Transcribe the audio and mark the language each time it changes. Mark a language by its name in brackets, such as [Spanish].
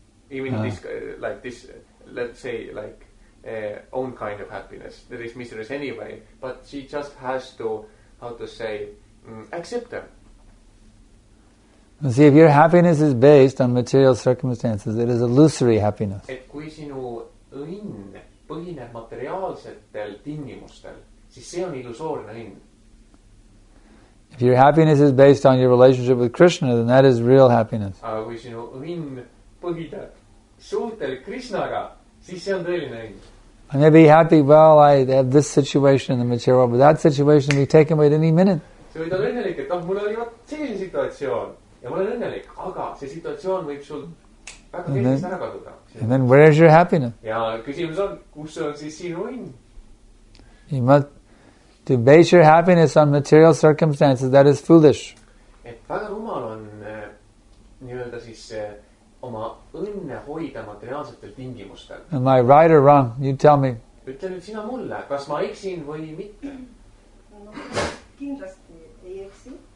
[English] Even this, like this, let's say, like own kind of happiness. There is miseries anyway, but she just has to, how to say, accept them. See, if your happiness is based on material circumstances, it is illusory happiness. [Estonian] Et kui sinu õnn põhineb materiaalsetel tingimustel, siis see on illusoorne õnn. [English] If your happiness is based on your relationship with Krishna, then that is real happiness. [Estonian] Aga kui sinu õnn põhineb suhtel Krishnaga, siis see on tõeline õnn. [English] I may be happy, well, I have this situation in the material world, but that situation will be taken away at any minute. [Estonian] See võid olla õnnelik, et mul oli selline situatsioon. Ja ma olen õnnelik, aga see situatsioon võib sul väga kiiresti ära kaduda. [English] And then where is your happiness? [Estonian] Ja küsimus on, kus on siis sinu õnn? [English] You must to base your happiness on material circumstances, that is foolish. [Estonian] Et väga rumal on nii-öelda siis oma õnne hoida materiaalsetel tingimustel. [English] Am I right or wrong? You tell me. [Estonian] Ütle nüüd sina mulle, kas ma eksin või mitte? No, kindlasti ei eksi.